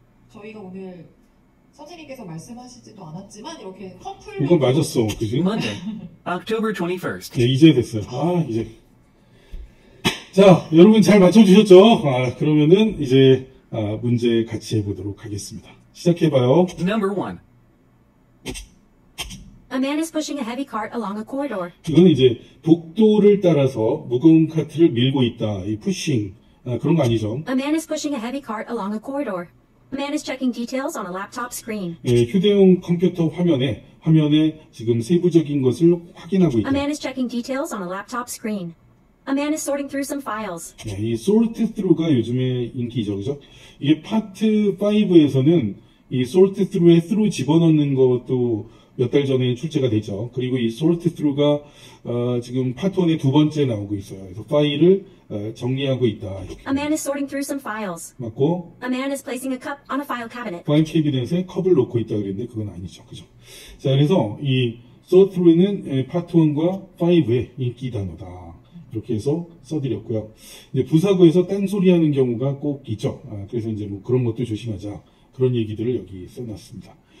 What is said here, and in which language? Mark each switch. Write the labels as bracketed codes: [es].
[ko] 저희가 오늘 선생님께서 말씀하시지도 않았지만 이렇게 커플. 이거 맞았어, 그지? [en] Monday, October 21st. [ko] 네, 이제 됐어요. 이제. 자, 여러분 잘 맞춰주셨죠? 그러면은 이제 문제 같이 해보도록 하겠습니다. 시작해봐요. [en] Number 1. A man is pushing a heavy cart along a corridor. [ko] 이건 이제 복도를 따라서 무거운 카트를 밀고 있다. 이 pushing 그런 거 아니죠? [en] A man is pushing a heavy cart along a corridor. A man is checking details on a laptop screen. [ko] 예, 휴대용 컴퓨터 화면에 지금 세부적인 것을 확인하고 있다. [en] A man is checking details on a laptop screen. A man is sorting through some files. [ko] 예, 이 sort through가 요즘에 인기죠, 그죠? 이게 파트 5에서는 이 sort through에 through 집어넣는 것도 몇 달 전에 출제가 되죠. 그리고 이 sort through가 지금 파트 1의 두 번째 나오고 있어요. 그래서 파일을 정리하고 있다. 이렇게. [en] A man is sorting through some files. [ko] 맞고. [en] A man is placing a cup on a file cabinet. [ko] 파일 캐비넷에 컵을 놓고 있다 그랬는데 그건 아니죠. 그죠? 자, 그래서 이 sort through는 파트 1과 5의 인기 단어다. 이렇게 해서 써드렸고요. 이제 부사구에서 딴소리 하는 경우가 꼭 있죠. 그래서 이제 뭐 그런 것도 조심하자. 그런 얘기들을 여기 써놨습니다.